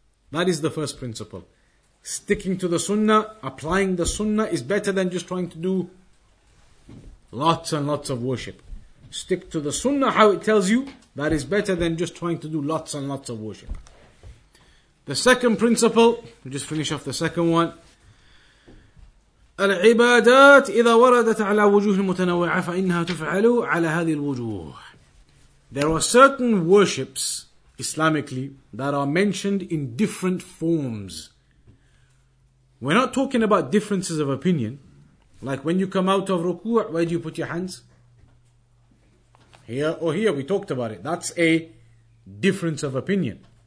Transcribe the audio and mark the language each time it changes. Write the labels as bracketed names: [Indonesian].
[English] That is the first principle. Sticking to the sunnah, applying the sunnah is better than just trying to do lots and lots of worship. Stick to the sunnah how it tells you, that is better than just trying to do lots and lots of worship. The second principle, we'll just finish off the second one. [Arabic] العبادات إذا وردت على وجوه المتنوعة فإنها تفعل على هذه الوجوه. [English] There are certain worships, Islamically, that are mentioned in different forms. We're not talking about differences of opinion. Like when you come out of ruku', where do you put your hands? Here or here, we talked about it. That's a difference of opinion.